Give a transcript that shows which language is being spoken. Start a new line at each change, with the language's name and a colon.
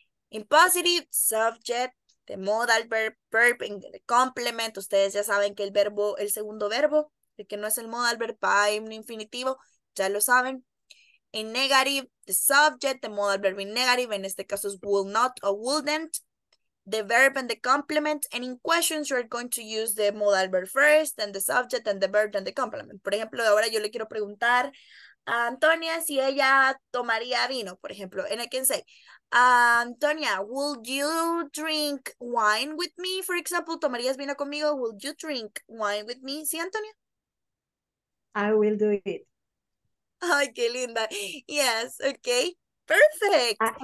English: In positive subject, the modal verb, the complement.
Spanish: Ustedes ya saben que el segundo verbo, el que no es el modal verb, va en infinitivo, ya lo saben.
English: In negative, the subject, the modal verb in negative,
Spanish: en este caso es
English: will not o wouldn't. The verb and the complement. And in questions, you're going to use the modal verb first, then the subject, then the verb, then the complement.
Spanish: Por ejemplo, ahora yo le quiero preguntar a Antonia si ella tomaría vino, por ejemplo.
English: And I can say, Antonia, would you drink wine with me? For example,
Spanish: ¿tomarías vino conmigo?
English: Would you drink wine with me? ¿Sí, Antonia? I will do it.
Spanish: Ay, qué linda.
English: Yes, okay. Perfect.